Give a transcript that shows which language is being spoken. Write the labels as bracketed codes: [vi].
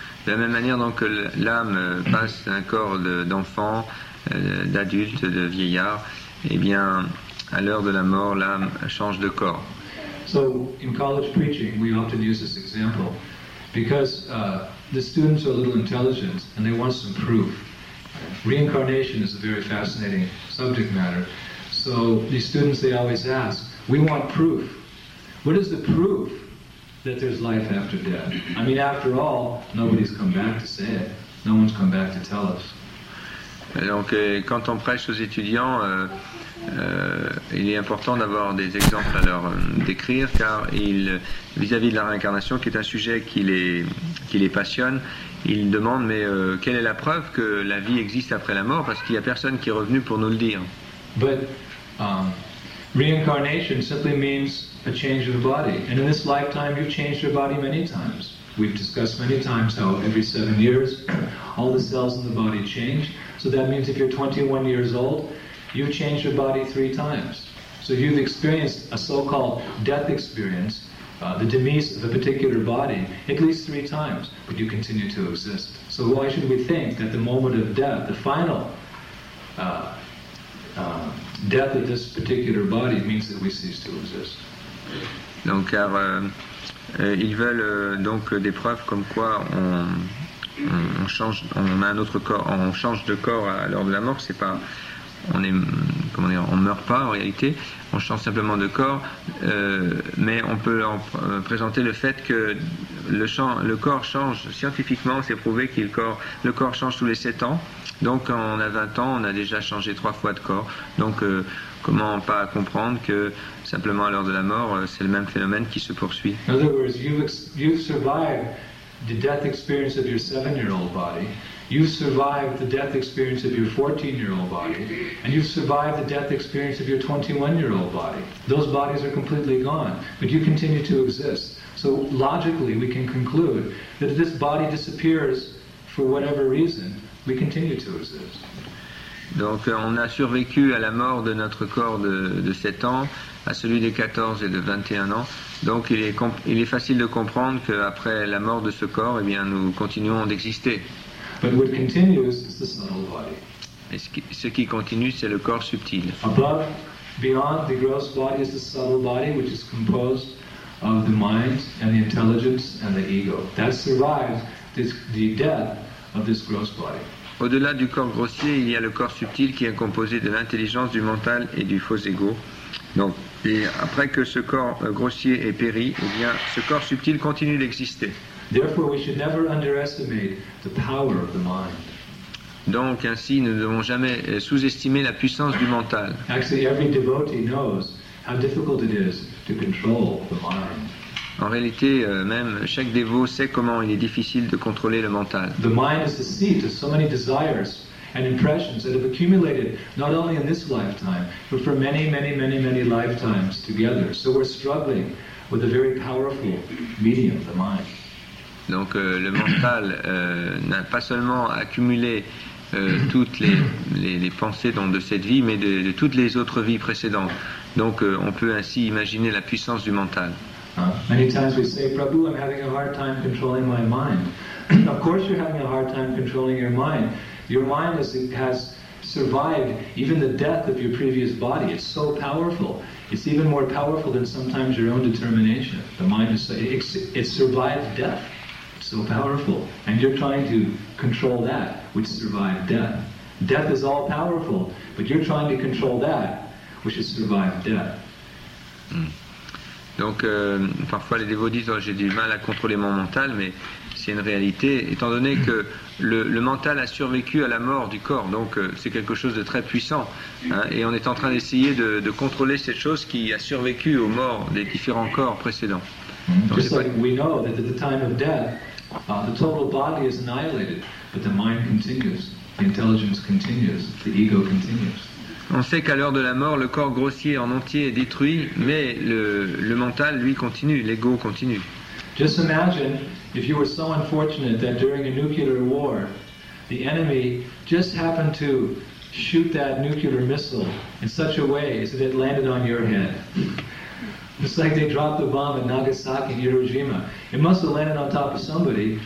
[fr] De la même manière donc que l'âme passe d'un corps d'enfant, d'adulte, de vieillard, eh bien, à l'heure de la mort, l'âme change de corps. [en] So, in college preaching, we often use this example because the students are a little intelligent and they want some proof. Reincarnation is a very fascinating subject matter. So, these students, they always ask, we want proof. What is the proof that there's life after death? I mean, after all, nobody's come back to say it. No one's come back to tell us. [fr] Donc, quand on prêche aux étudiants, il est important d'avoir des exemples à leur décrire, car vis-à-vis de la réincarnation, qui est un sujet qui les passionne, ils demandent, mais quelle est la preuve que la vie existe après la mort? Parce qu'il n'y a personne qui est revenu pour nous le dire. [en] But reincarnation simply means a change of body. And in this lifetime, you've changed your body many times. We've discussed many times how every 7 years, all the cells in the body change. So that means if you're 21 years old, you've changed your body 3 times. So you've experienced a so-called death experience, the demise of a particular body, at least 3 times, but you continue to exist. So why should we think that the moment of death, the final death of this particular body, means that we cease to exist? [fr] Donc, car ils veulent donc des preuves comme quoi on change de corps à l'heure de la mort. C'est pas, on meurt pas en réalité, on change simplement de corps, mais on peut leur présenter le fait que le corps change scientifiquement. C'est prouvé que le corps change tous les 7 ans, donc quand on a 20 ans, on a déjà changé 3 fois de corps. Donc comment pas comprendre que simplement à l'heure de la mort, c'est le même phénomène qui se poursuit. [en] In other words, you've survived the death experience of your 7-year-old body, you've survived the death experience of your 14-year-old body, and you've survived the death experience of your 21-year-old body. Those bodies are completely gone, but you continue to exist. So logically, we can conclude that if this body disappears for whatever reason, we continue to exist. [fr] Donc on a survécu à la mort de notre corps de 7 ans, à celui des 14 et de 21 ans. Donc il est facile de comprendre qu'après la mort de ce corps, eh bien, nous continuons d'exister. [en] But what continues is the subtle body. [fr] Et ce qui continue, c'est le corps subtil. [en] Above, beyond the gross body is the subtle body, which is composed of the mind and the intelligence and the ego. That survives the death of this gross body. [fr] Au-delà du corps grossier, il y a le corps subtil qui est composé de l'intelligence, du mental et du faux ego. Donc, et après que ce corps grossier ait péri, eh bien, ce corps subtil continue d'exister. [en] Therefore, we should never underestimate the power of the mind. [fr] Donc, ainsi, nous ne devons jamais sous-estimer la puissance du mental. [en] Actually, every devotee knows how difficult it is to control the mind. [fr] En réalité, même chaque dévot sait comment il est difficile de contrôler le mental. [en] The mind is the seat of so many desires and impressions that have accumulated not only in this lifetime, but for many, many, many, many lifetimes together. So we're struggling with a very powerful medium, the mind. [fr] Donc le mental n'a pas seulement accumulé toutes les pensées de cette vie, mais de toutes les autres vies précédentes. Donc on peut ainsi imaginer la puissance du mental. [en] Many times we say, Prabhu, I'm having a hard time controlling my mind. Of course you're having a hard time controlling your mind. Your mind has survived even the death of your previous body. It's so powerful. It's even more powerful than sometimes your own determination. The mind is, it survived death. It's so powerful. And you're trying to control that which survived death. Death is all powerful, but you're trying to control that which has survived death. Mm. [fr] Donc, parfois les dévots disent oh, « j'ai du mal à contrôler mon mental », mais c'est une réalité, étant donné que le mental a survécu à la mort du corps, donc c'est quelque chose de très puissant, hein, et on est en train d'essayer de contrôler cette chose qui a survécu aux morts des différents corps précédents. Donc, c'est like pas... [en] we know that at the time of death, the total body is annihilated, but the mind continues, the intelligence continues, the ego continues. [fr] On sait qu'à l'heure de la mort, le corps grossier en entier est détruit, mais le mental, lui, continue, l'ego continue. [en] Just imagine if you were so unfortunate that during a nuclear war, the enemy just happened to shoot that nuclear missile in such a way as that it landed on your head. It's like they dropped the bomb at Nagasaki and Hiroshima. It must have landed on top of somebody.